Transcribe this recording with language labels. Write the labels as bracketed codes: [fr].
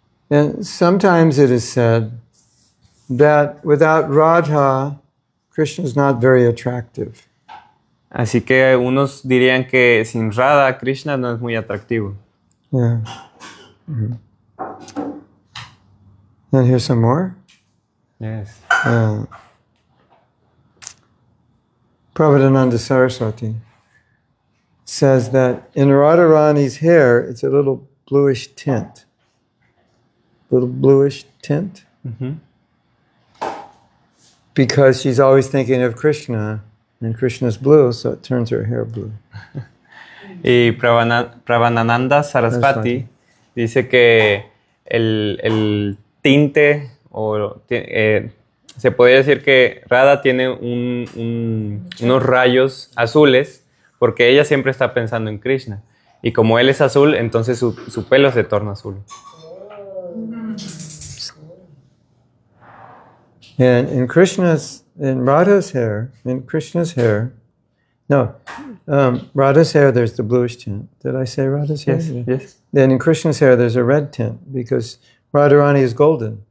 [en] And sometimes it is said that without Radha, Krishna is not very attractive. [es] Así que unos dirían que sin Radha, Krishna no es muy atractivo. [en] Yeah. And here's some more. Yes. Prabhupada Saraswati says that in Radharani's hair, it's a little bluish tint. Little bluish tint. Mm-hmm. Because she's always thinking of Krishna, and Krishna's blue, so it turns her hair blue. [es] Y Prabhupada Saraswati dice que el tinte o se podría decir que Radha tiene unos rayos azules porque ella siempre está pensando en Krishna. Y como él es azul, entonces su pelo se torna azul. [en] And in Krishna's, in Radha's hair, in Krishna's hair, no, Radha's hair, there's the bluish tint. Did I say Radha's hair? Yes, yes. Then in Krishna's hair, there's a red tint because Radharani is golden.